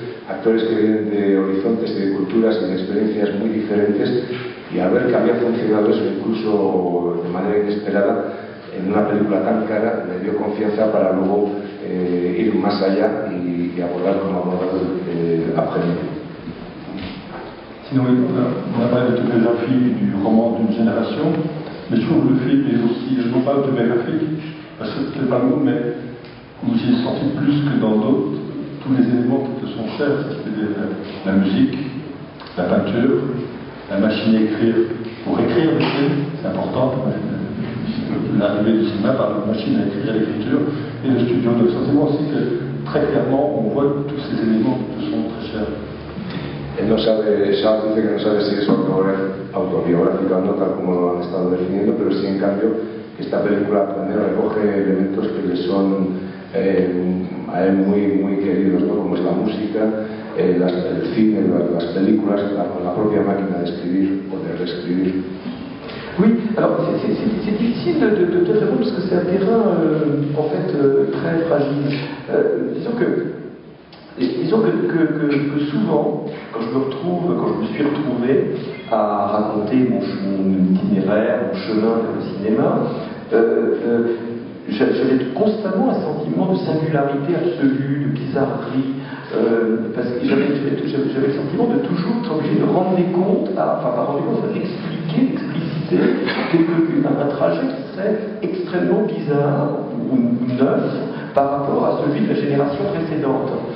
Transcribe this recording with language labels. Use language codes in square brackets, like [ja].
[es] actores que vienen de horizontes, de culturas y de experiencias muy diferentes, y a ver que había funcionado eso incluso de manera inesperada en una película tan cara, le dio confianza para luego ir más allá y abordar como abordado Abgenio. [fr] Sinon, on a parlé d'autobiographie du roman d'une génération, mais je trouve que le film est aussi, non pas autobiographique, parce que c'est pas le mot, mais vous y êtes senti plus que dans d'autres, tous les éléments qui te sont chers, c'est-à-dire la musique, la peinture, la machine à écrire, pour écrire le film, c'est important, l'arrivée du cinéma par la machine à écrire l'écriture et le studio. Donc c'est moi aussi que très clairement on voit tous ces éléments qui sont très chers. [es] Él no sabe, Charles dice que no sabe si es autobiográfica o no, tal como lo han estado definiendo, pero sí en cambio que esta película también recoge elementos que le son a él muy, muy queridos, ¿no? Como es la música, el cine, las películas, la propia máquina de escribir o de reescribir. [fr] Oui, alors c'est difficile de répondre parce que c'est un terrain en fait très fragile. Disons que souvent, quand je me suis retrouvé à raconter mon itinéraire, mon chemin vers le cinéma, j'avais constamment un sentiment de singularité absolue, de bizarrerie, parce que j'avais le sentiment de toujours être obligé de d'expliquer, d'expliciter un trajet qui serait extrêmement bizarre ou neuf par rapport à celui de la génération précédente.